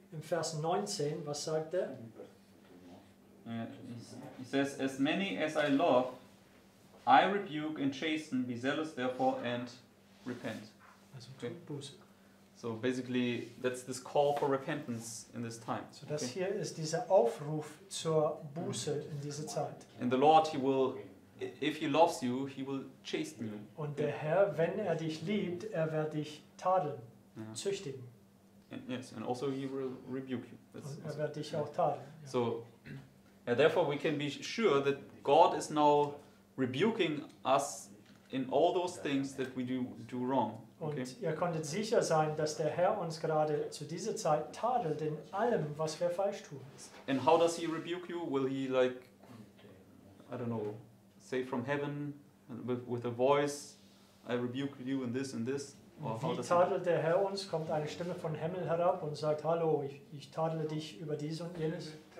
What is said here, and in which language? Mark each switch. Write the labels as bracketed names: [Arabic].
[German] In Vers 19, was sagt er? [English] He says, "As many as I love, I rebuke and chasten, be zealous therefore and repent." [German] Also okay. Buße. [English] So basically that's this call for repentance in this time. [German] So das hier ist dieser Aufruf zur Buße in dieser Zeit. [English] And the Lord he will if he loves you, he will chasten you. [German] Und der Herr, wenn er dich liebt, er wird dich tadeln, züchtigen. [English] And yes, and also he will rebuke you. [German] That's und er wird dich auch tadeln. Yeah. [English] So, yeah, therefore we can be sure that God is now rebuking us in all those things that we do wrong. [German] Und ihr konntet sicher sein, dass der Herr uns gerade zu dieser Zeit tadelt in allem, was wir falsch tun. [English] And how does he rebuke you? Will he like, I don't know, say from heaven with a voice, I rebuke you in this and this? [German] Wie tadelt der Herr uns? Kommt eine Stimme von Himmel herab und sagt, hallo, ich tadle dich über dies und jenes?